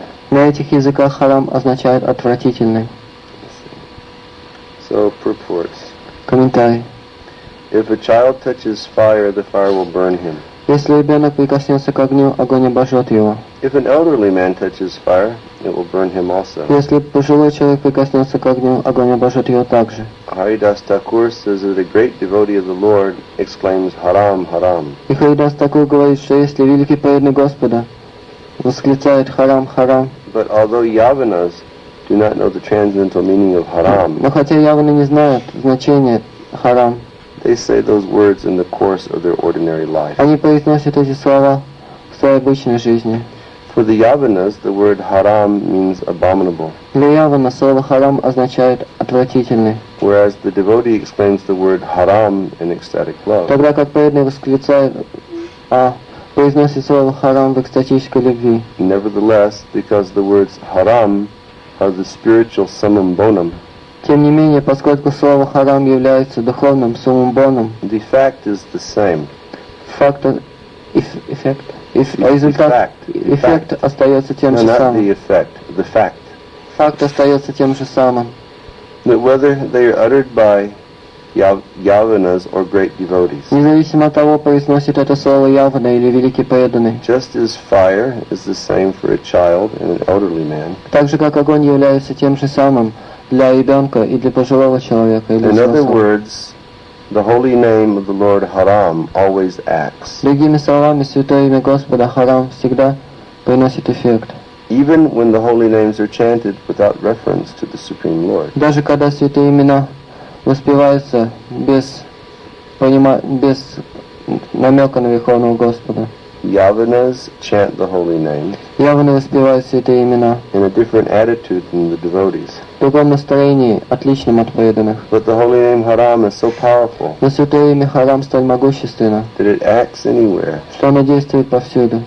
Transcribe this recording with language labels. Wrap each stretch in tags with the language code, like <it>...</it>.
<ru>На этих языках харам означает отвратительный.</ru> <en>So purports.</en> <ru>Комментарий.</ru> <en>If a child touches fire, the fire will burn him.</en> <ru>Если ребенок прикоснется к огню, огонь обожжет его.</ru> <en>If an elderly man touches fire, it will burn him also.</en> <ru>Если пожилой человек прикоснется к огню, огонь обожжет его также.</ru> <en>Haridas Thakur says that a great devotee of the Lord exclaims Haram, Haram.</en> <ru>И Haridas Thakur говорит, что если великий преданный Господа восклицает Харам, Харам.</ru> <en>But although Yavanas do not know the transcendental meaning of Haram,</en> <ru>но хотя Яваны не знают значение Харам,</ru> <en>they say those words in the course of their ordinary life.</en> <ru>Они произносят эти слова в своей обычной жизни.</ru> <en>For the Yavanas, the word Haram means abominable.</en> <ru>Для Явана слово Харам означает отвратительный.</ru> <en>Whereas the devotee exclaims the word Haram in ecstatic love.</en> <ru>Тогда как преданный восклицает, произносит слово Харам в экстатической любви.</ru> <en>Nevertheless, because the words Haram are the spiritual summum bonum.</en> <ru>Тем не менее, поскольку слово Харам является духовным summum bonum.</ru> <en>The fact is the same.</en> <ru>Факт, эффект, результат, эффект остается тем же самым.</ru> <en>Not the effect, the fact.</en> <ru>Факт остается тем же самым.</ru> <en>That whether they are uttered by Yavanas or great devotees.</en> <ru>Независимо от того, произносит это слово Явана или великий преданный.</ru> <en>Just as fire is the same for a child and an elderly man.</en> <ru>Так же как огонь является тем же самым для ребенка и для пожилого человека.</ru> <en>In other words, the holy name of the Lord Haram always acts.</en> <ru>Другими словами, святое имя Господа Харам всегда приносит эффект.</ru> <en>Even when the holy names are chanted without reference to the Supreme Lord.</en> <ru>Даже когда святые имена воспевается без без намека на Верховного Господа.</ru> <en>Yavanas chant the holy name.</en> <ru>Явана воспевает святые имена.</ru> <en>In a different attitude than the devotees.</en> <ru>В другом настроении, отличном от преданных.</ru> <en>But the holy name Haram is so powerful.</en> <ru>Но святое имя Харам столь могущественно.</ru> <en>That it acts anywhere.</en> <ru>Что оно действует повсюду.</ru>